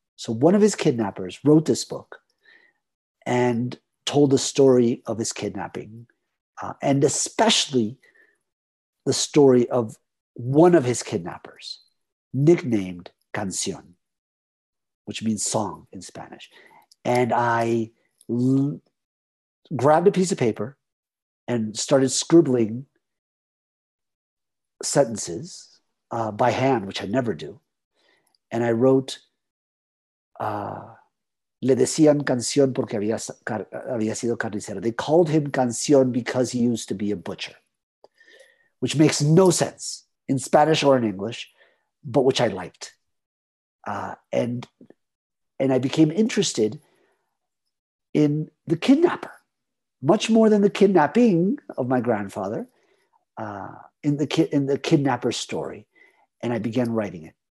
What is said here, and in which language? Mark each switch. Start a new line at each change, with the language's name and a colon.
English: So one of his kidnappers wrote this book and told the story of his kidnapping, and especially the story of one of his kidnappers, nicknamed Canción, which means song in Spanish. And I grabbed a piece of paper and started scribbling sentences by hand, which I never do. And I wrote,
Spanish: le decían Canción porque había sido carnicero.
English: They called him Canción because he used to be a butcher, which makes no sense in Spanish or in English, but which I liked. And I became interested in the kidnapper, much more than the kidnapping of my grandfather, in the kidnapper story. And I began writing it.